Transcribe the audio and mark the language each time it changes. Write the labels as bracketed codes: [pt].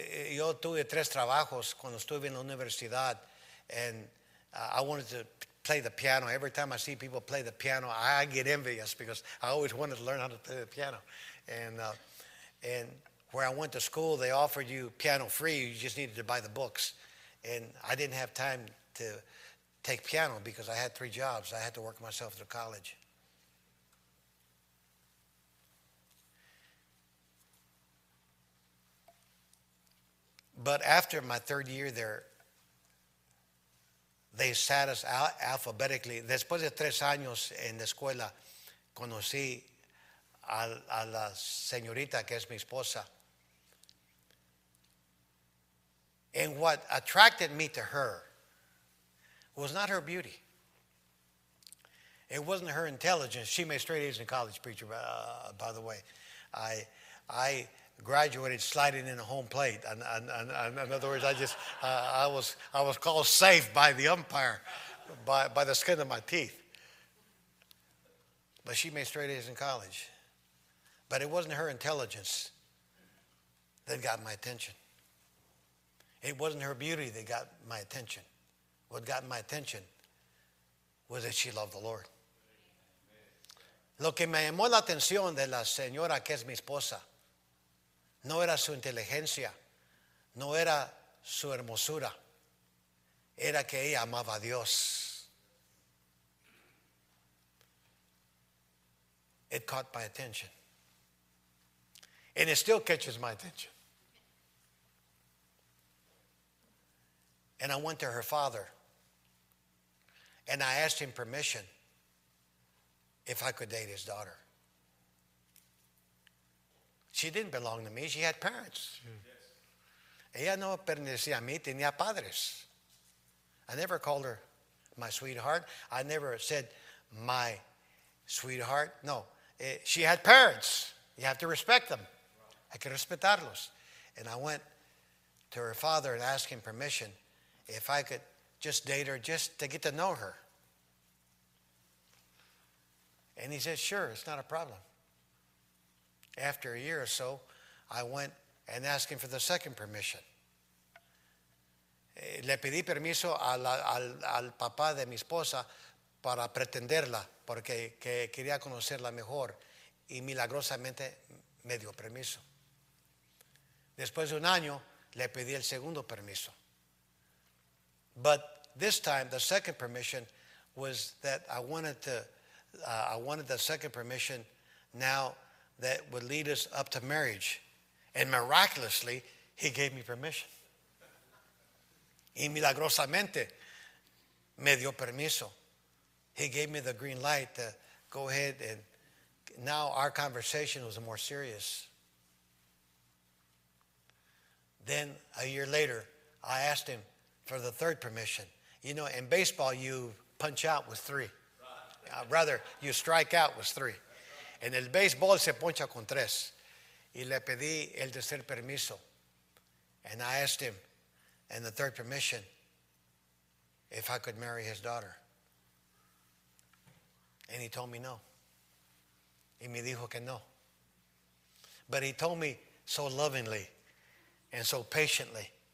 [es] Yo tuve tres trabajos cuando estuve en la universidad, [en] and I wanted to play the piano. Every time I see people play the piano, I get envious because I always wanted to learn how to play the piano. And where I went to school, they offered you piano free. You just needed to buy the books. And I didn't have time to take piano because I had three jobs. I had to work myself through college. But after my third year there, they sat us out alphabetically. [es] Después de tres años en la escuela, conocí a la señorita que es mi esposa. [en] And what attracted me to her was not her beauty. It wasn't her intelligence. She made straight A's in college, preacher, by the way. I graduated sliding in a home plate. In other words, I was called safe by the umpire, by the skin of my teeth. But she made straight A's in college. But it wasn't her intelligence that got my attention. It wasn't her beauty that got my attention. What got my attention was that she loved the Lord. [es] Lo que me llamó la atención de la señora que es mi esposa no era su inteligencia, no era su hermosura, era que ella amaba a Dios. [en] It caught my attention. And it still catches my attention. And I went to her father and I asked him permission if I could date his daughter. She didn't belong to me. She had parents. [es] Ella no pertenecía a mí, tenía padres. [en] I never called her my sweetheart. I never said my sweetheart. No, she had parents. You have to respect them. [es] Hay que respetarlos. [en] And I went to her father and asked him permission if I could just date her, just to get to know her. And he said, sure, it's not a problem. After a year or so, I went and asked him for the second permission. [es] Le pedí permiso al papá de mi esposa para pretenderla, porque que quería conocerla mejor, y milagrosamente me dio permiso. Después de un año, le pedí el segundo permiso. [en] But this time, the second permission was that I wanted the second permission now that would lead us up to marriage. And miraculously, he gave me permission. [es] Y milagrosamente, me dio permiso. [en] He gave me the green light to go ahead, and now our conversation was more serious. Then a year later, I asked him for the third permission. You know, in baseball, you punch out with three. Rather, you strike out with three. [es] En el béisbol se poncha con tres. Y le pedí el tercer permiso. [en] And I asked him, and the third permission, if I could marry his daughter. And he told me no. [es] Y me dijo que no. [en] But he told me so lovingly and so patiently.